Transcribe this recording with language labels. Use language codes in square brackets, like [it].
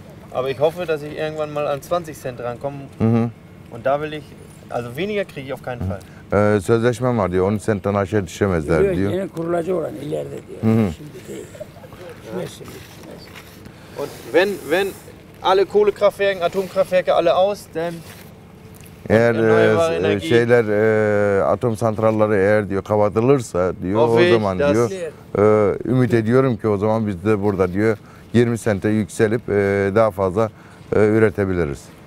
[de] Aber ich hoffe, dass ich irgendwann mal an 20 Cent rankomme. Mhm. Und da will ich, also weniger kriege ich auf keinen Fall. [tr] Sözleşme var diyor, 13 Cent'den aşağı düşemezler diyor. Diyor, yine kurulacı oran ileride diyor. Hı-hı. Şimdi değil. Şimdi. [de] Und wenn alle Kohlekraftwerke, Atomkraftwerke alle aus, dann... [tr] Eğer şeyler, atom santralları eğer diyor kapatılırsa diyor, o zaman diyor, ümit ediyorum ki o zaman biz de burada diyor, 20 sente yükselip daha fazla üretebiliriz.